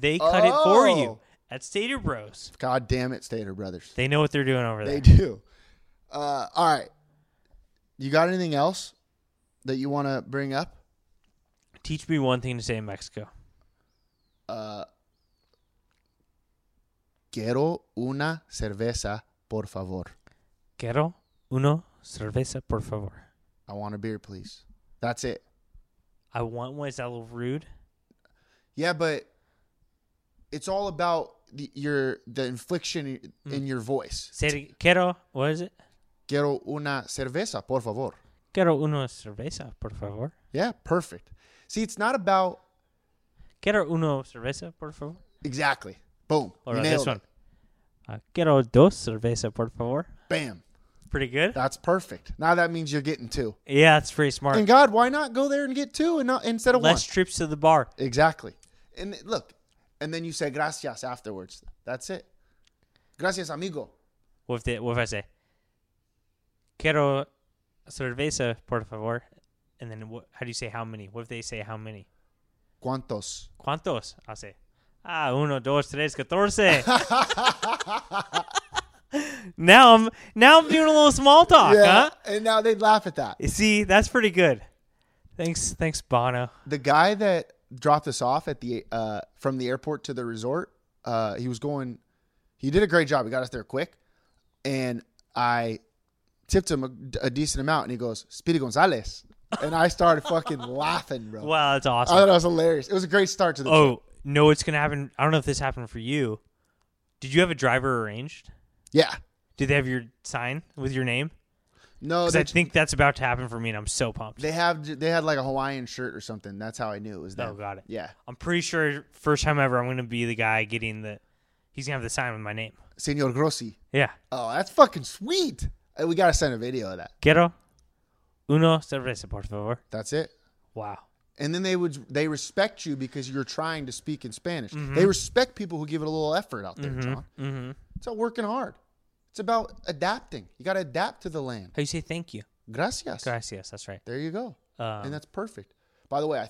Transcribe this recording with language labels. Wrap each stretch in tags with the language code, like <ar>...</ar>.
<en>They cut it for you at Stater Bros. God damn it, Stater Brothers. They know what they're doing over there. They do. All right. You got anything else that you want to bring up? Teach me one thing to say in Mexico.</en> <es>Quiero una cerveza, por favor. Quiero una cerveza, por favor.</es> <en>I want a beer, please. That's it. I want one. Is that a little rude? Yeah, but it's all about the infliction in your voice.</en> <es>Quiero,</es> <en>what is it?</en> <es>Quiero una cerveza, por favor. Quiero una cerveza, por favor.</es> <en>Yeah, perfect. See, it's not about...</en> <es>Quiero una cerveza, por favor.</es> <en>Exactly. Boom. Or this one.</en> <es>Quiero dos cerveza, por favor.</es> <en>Bam. Pretty good. That's perfect. Now that means you're getting two. Yeah, that's pretty smart. And God, why not go there and get two and not instead of less one? Less trips to the bar. Exactly. And look, and then you say gracias afterwards. That's it.</en> <es>Gracias, amigo.</es> <en>What if I say?</en> <es>Quiero cerveza, por favor.</es> <en>And then how do you say how many? What if they say how many?</en> <es>¿Cuántos? ¿Cuántos? I'll say, uno, dos, tres, catorce.</es> <en>Now I'm doing a little small talk, yeah, huh? And now they'd laugh at that. You see, that's pretty good. Thanks, Bono. The guy that dropped us off at the from the airport to the resort, he did a great job. He got us there quick. And I tipped him a decent amount. And he goes, Speedy Gonzalez. And I started fucking laughing, bro. Wow, that's awesome. I thought that was hilarious. It was a great start to the trip. Oh, no, it's going to happen. I don't know if this happened for you. Did you have a driver arranged? Yeah. Did they have your sign with your name? No. Because I think that's about to happen for me, and I'm so pumped. They had like a Hawaiian shirt or something. That's how I knew it was them. Oh, got it. Yeah. I'm pretty sure first time ever I'm going to be the guy getting the – he's going to have the sign with my name.</en> <es>Señor Grossi.</es> <en>Yeah. Oh, that's fucking sweet. We got to send a video of that.</en> <es>Quiero – uno cerveza, por favor.</es> <en>That's it. Wow. And then they respect you because you're trying to speak in Spanish. Mm-hmm. They respect people who give it a little effort out there, mm-hmm. John. Mm-hmm. It's about working hard. It's about adapting. You got to adapt to the land. How do you say thank you?</en> <es>Gracias.</es> <en>Gracias, that's right. There you go. And that's perfect. By the way,</en>